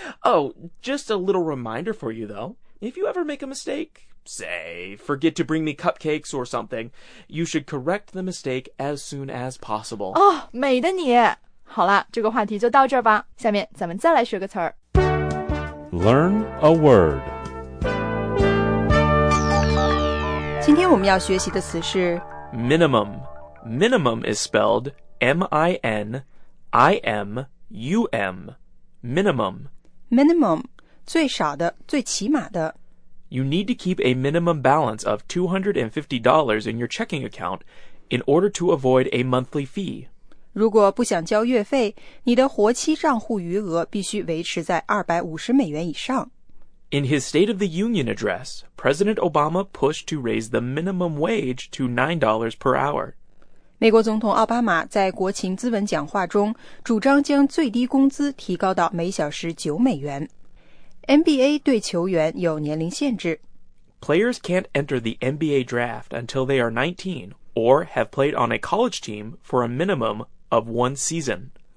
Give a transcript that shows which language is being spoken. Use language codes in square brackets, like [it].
[en] Oh, just a little reminder for you, though. If you ever make a mistake, say, forget to bring me cupcakes or something, you should correct the mistake as soon as possible. [zh] Oh, 美的你。好了，这个话题就到这儿吧。下面咱们再来学个词儿。 [en] Learn a word. [zh] 今天我们要学习的词是 [en] Minimum. Minimum is spelled M-I-N-I-M-U-M. Minimum. [zh] Minimum. 最少的，最起码的。 [en] You need to keep a minimum balance of $250 in your checking account in order to avoid a monthly fee. [zh] 如果不想交月费，你的活期账户余额必须维持在250美元以上。 [en] In his State of the Union address, President Obama pushed to raise the minimum wage to $9 per hour. [zh] 美国总统奥巴马在国情咨文讲话中主张将最低工资提高到每小时九美元。 NBA 对球员有年龄限制。 [en] Players can't enter the NBA draft until they are 19 or have played on a college team for a minimum of one season.